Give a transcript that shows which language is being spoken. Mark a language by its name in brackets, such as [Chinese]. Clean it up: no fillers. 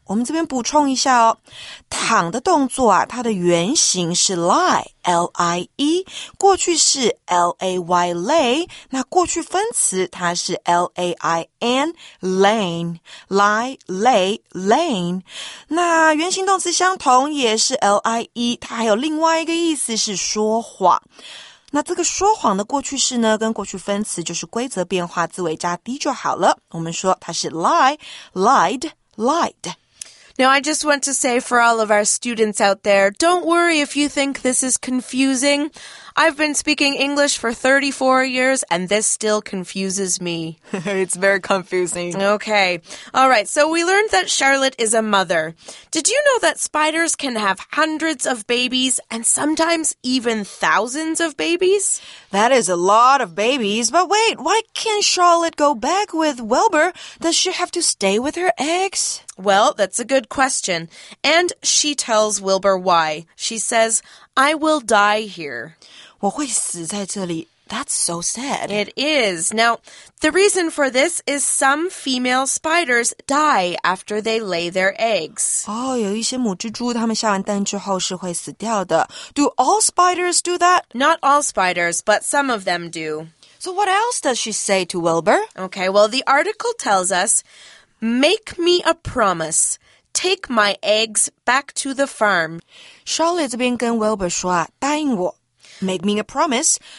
[Chinese] 我们这边补充一下哦，躺的动作啊，它的原型是 lie, L-I-E, 过去式 L-A-Y, lay, 那过去分词它是 L-A-I-N, lane, lie, lay, lane, 那原型动词相同也是 L-I-E, 它还有另外一个意思是说谎。那这个说谎的过去式呢，跟过去分词就是规则变化字尾加 d 就好了。我们说它是 lie, lied, lied。 [English] Now I just want to say for all of our students out there, don't worry if you think this is confusing. I've been speaking English for 34 years and this still confuses me. It's very confusing. Okay. All right, so we learned that Charlotte is a mother. Did you know that spiders can have hundreds of babies and sometimes even thousands of babies? That is a lot of babies. But wait, why can't Charlotte go back with Wilbur? Does she have to stay with her eggs? Well, that's a good question. And she tells Wilbur why. She says, I will die here. [Chinese] 我会死在这里。 [English] That's so sad. It is. Now, the reason for this is some female spiders die after they lay their eggs. [Chinese] Oh, 有一些母蜘蛛她们下完蛋之后是会死掉的。 [English] Do all spiders do that? Not all spiders, but some of them do. So what else does she say to Wilbur? Okay, well, the article tells us,Make me a promise. Take my eggs back to the farm. [Chinese] Charlotte 这边跟 Wilbur 说啊，答应我。 [English] Make me a promise.